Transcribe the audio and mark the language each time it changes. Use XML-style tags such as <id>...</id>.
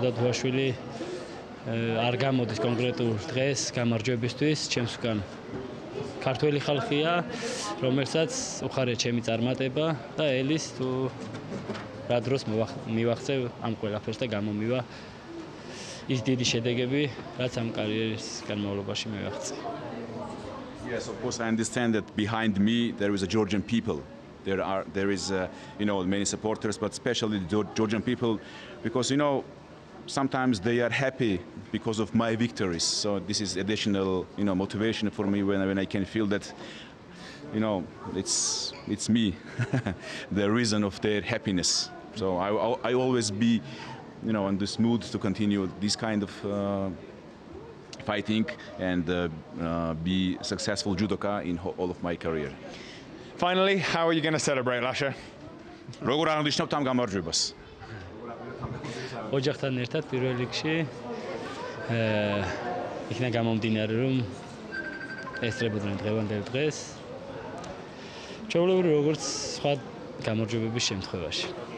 <ka>არ გამოდის კონკრეტულ დღეს გამარჯვებისთვის ჩემს უკან ქართველი ხალხია რომელსაც უხარია ჩემი წარმატება და ელის თუ რა დროს მივახცევ ამ ყველაფერს და გამომივა ის დიდი შედეგები რაც ამ კარიერის განმავლობაში მივახცე.</ka> <en>Yes, of course I understand that behind me there is a Georgian people. There is you know, many supporters, but especially the Georgian people, because you know, sometimes they are happy because of my victories. So this is additional, you know, motivation for me when I can feel that, you know, it's me, the reason of their happiness. So I always be, you know, in this mood to continue this kind of fighting and be successful judoka in all of my career. Finally, how are you going to celebrate, Lasha?</en> <ka>როგორ აღნიშნავთ ამ გამარჯვებას? ოჯახთან ერთად პირველ რიგში იქნა გამომდინარე, რომ ესწრებოდნენ დღევანდელ დღეს. ჩვეულებრივ, როგორც სხვა გამარჯვებების შემთხვევაში.</ka>